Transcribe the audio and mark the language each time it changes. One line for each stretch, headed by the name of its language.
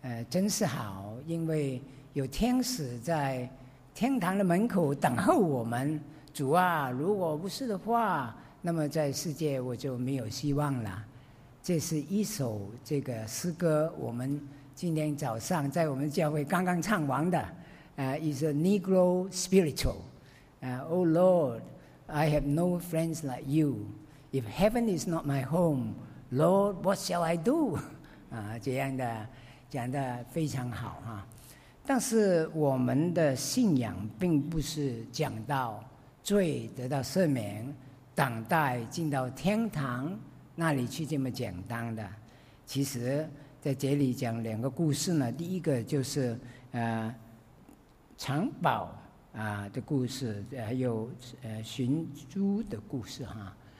Chinese: 真是好，因为有天使在天堂的门口等候我们。主啊，如果不是的话，那么在世界我就没有希望了。这是一首这个诗歌，我们今天早上在我们教会刚刚唱完的。
English: Is a Negro spiritual. Oh Lord, I have no friends like you. If heaven is not my home, Lord, what shall I do?
Chinese: 这样的讲得非常好哈。但是我们的信仰并不是讲到罪得到赦免，等待进到天堂那里去这么简单的。其实在这里讲两个故事呢，第一个就是藏宝的故事，还有寻珠的故事哈。